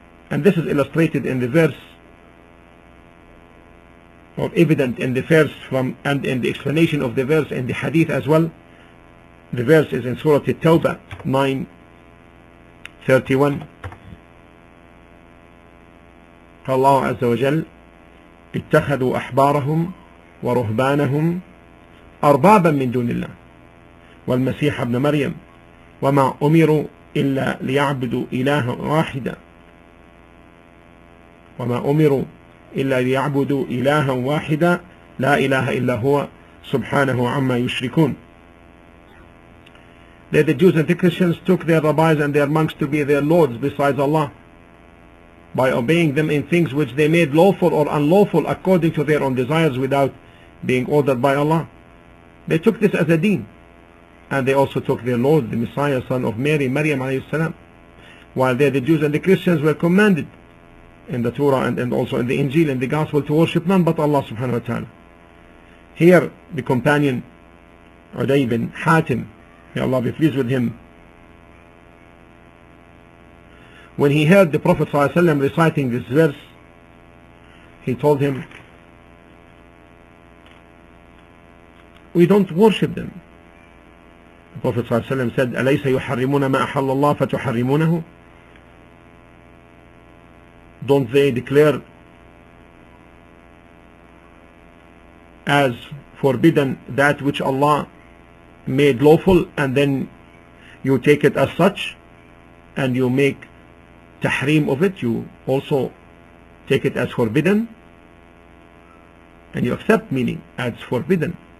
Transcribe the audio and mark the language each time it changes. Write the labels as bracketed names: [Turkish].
[English] And this is illustrated in the verse, or evident in the verse from, and in the explanation of the verse in the hadith as well. The verse is in Surah At-Tawbah 9:31. [Arabic] Allah Azza wa Jal, اتخذوا أحبارهم ورهبانهم أربابا من دون الله والمسيح ابن مريم وما أمروا إلا ليعبدوا إلها واحدا وما أمروا إلا ليعبدوا إلها واحدا لا إله إلا هو سبحانه عما يشركون. [English] That the Jews and the Christians took their rabbis and their monks to be their lords besides Allah by obeying them in things which they made lawful or unlawful according to their own desires without being ordered by Allah. They took this as a deen. And they also took their Lord, the Messiah, son of Mary, Maryam alayhi salam. While there the Jews and the Christians were commanded in the Torah and also in the Injil and the Gospel to worship none but Allah subhanahu wa ta'ala. Here the companion Uday bin Hatim, may Allah be pleased with him, when he heard the Prophet ﷺ reciting this verse, he told him, we don't worship them. The Prophet ﷺ said, [Arabic] أَلَيْسَ يُحَرِّمُونَ مَا أَحَلَّ اللَّهُ فَتُحَرِّمُونَهُ. [English] Don't they declare as forbidden that which Allah made lawful, and then you take it as such and you make tahrim of it, you also take it as forbidden and you accept meaning as forbidden.